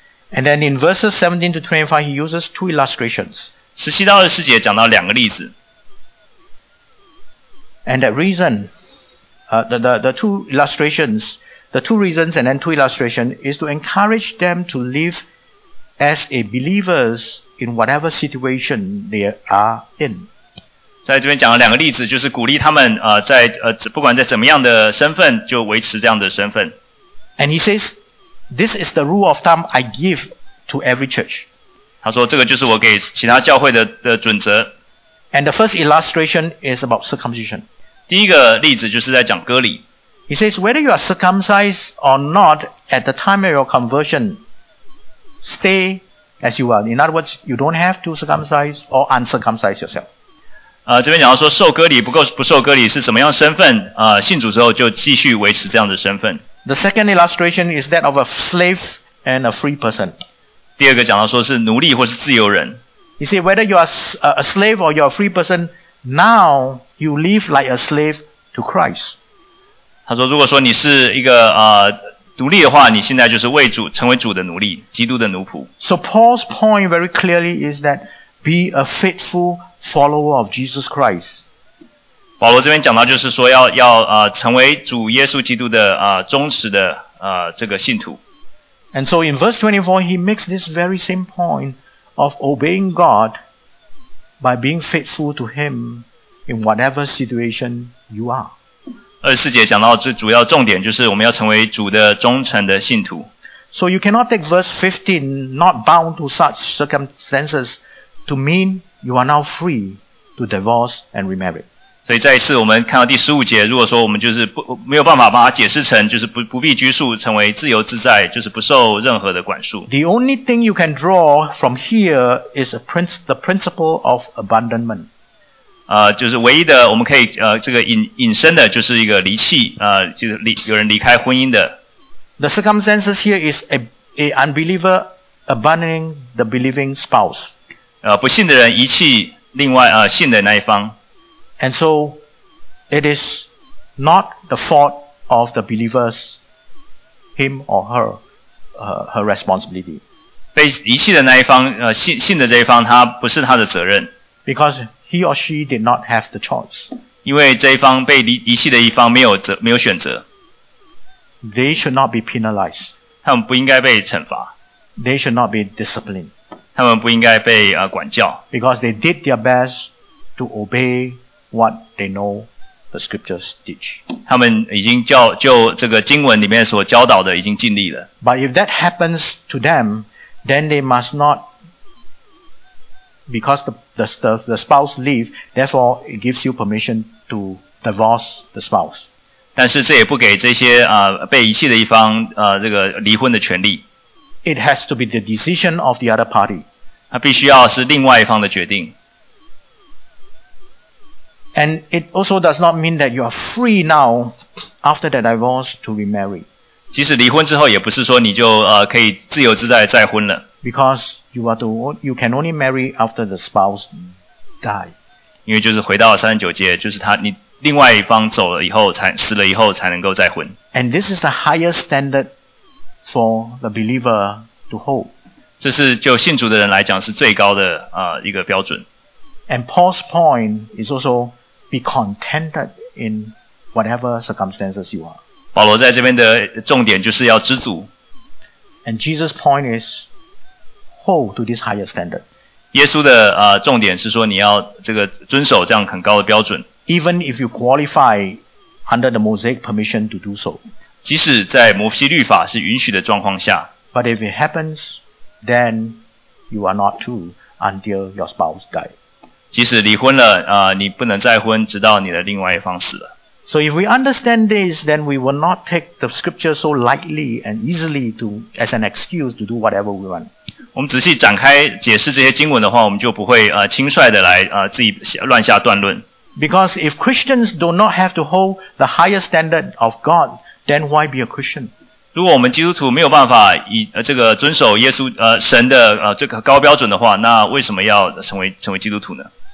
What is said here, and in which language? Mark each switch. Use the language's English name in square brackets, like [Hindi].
[English] And then in verses 17 to 25, he uses two illustrations. [Chinese] 十七到二十节讲到两个例子。 [English] And that reason, the two illustrations, the two reasons and then two illustrations is to encourage them to live as a believers,in whatever situation they are in. [Chinese] 在这边讲了两个例子，就是鼓励他们在不管在怎么样的身份就维持这样的身份。 [English] And he says, this is the rule of thumb I give to every church. [Chinese] 他说这个就是我给其他教会的准则。 [English] And the first illustration is about circumcision. [Chinese] 第一个例子就是在讲割礼。 [English] He says, whether you are circumcised or not at the time of your conversion, stayas you are. In other words, you don't have to circumcise or uncircumcise yourself. [Chinese] 这边讲到说受割礼不受割礼是什么样身份信主之后就继续维持这样的身份。 [English] The second illustration is that of a slave and a free person. [Chinese] 第二个讲到说是奴隶或是自由人。 [English] You see, whether you are a slave or you are a free person, now you live like a slave to Christ. [Chinese] 他说如果说你是一个奴隶的话，你现在就是为主成为主的奴隶，基督的奴仆。 [English] So Paul's point very clearly is that be a faithful follower of Jesus Christ. [Chinese] 保罗这边讲到就是说要成为主耶稣基督的忠实的这个信徒。 [English] And so in verse 24, he makes this very same point of obeying God by being faithful to Him in whatever situation you are. [Chinese] 二十四节讲到最主要重点就是我们要成为主的忠诚的信徒。 [English] So you cannot take verse 15, not bound to such circumstances, to mean you are now free to divorce and remarry. [Chinese] 所以再一次我们看到第十五节，如果说我们就是没有办法把它解释成就是不必拘束，成为自由自在，就是不受任何的管束。 [English] The only thing you can draw from here is the principle of abandonment. [Chinese] 就是唯一的我们可以这个引申的就是一个离弃就是有人离开婚姻的。 [English] The circumstances here is a unbeliever abandoning the believing spouse. [Chinese] 不信的人遗弃另外信的那一方。 [English] And so, it is not the fault of the believers, him or her responsibility. [Chinese] 被遗弃的那一方信的这一方他不是他的责任。 [English] Because,He or she did not have the choice. [Chinese] 因为这一方被遗弃的一方没有选择。 [English] They should not be penalized. [Chinese] 他们不应该被惩罚。 [English] They should not be disciplined. [Chinese] 他们不应该被管教。 [English] Because they did their best to obey what they know the scriptures teach. [Chinese] 他们已经就这个经文里面所教导的已经尽力了。 [English] But if that happens to them, then they must not because the spouse leave, therefore it gives you permission to divorce the spouse. [Chinese] 但是这也不给这些被遗弃的一方这个离婚的权利。 [English] It has to be the decision of the other party. [Chinese] 它必须要是另外一方的决定。 [English] And it also does not mean that you are free now after the divorce to remarry. [Chinese] 即使离婚之后，也不是说你就可以自由自在再婚了。 [English] Because you can only marry after the spouse die. [Chinese] 因为就是回到三十九节，就是他你另外一方走了以后，才死了以后才能够再婚。 [English] And this is the highest standard for the believer to hold. [Chinese] 这是就信主的人来讲是最高的一个标准。 [English] And Paul's point is also be contented in whatever circumstances you are. [Chinese] 保罗在这边的重点就是要知足。 [English] And Jesus' point is hold to this higher standard. [Chinese] 耶稣的重点是说你要这个遵守这样很高的标准。 [English] Even if you qualify under the Mosaic permission to do so. [Chinese] 即使在摩西律法是允许的状况下。 [English] But if it happens, then you are not true until your spouse died. [Chinese] 即使离婚了你不能再婚直到你的另外一方死了。 [English] So if we understand this, then we will not take the scripture so lightly and easily to, as an excuse to do whatever we want. [Chinese] 我们仔细展开解释这些经文的话，我们就不会轻率的来自己乱下断论。 [English] Because if Christians do not have to hold the higher standard of God, then why be a Christian? [Chinese] 如果我们基督徒没有办法以这个遵守耶稣神的这个高标准的话，那为什么要成为基督徒呢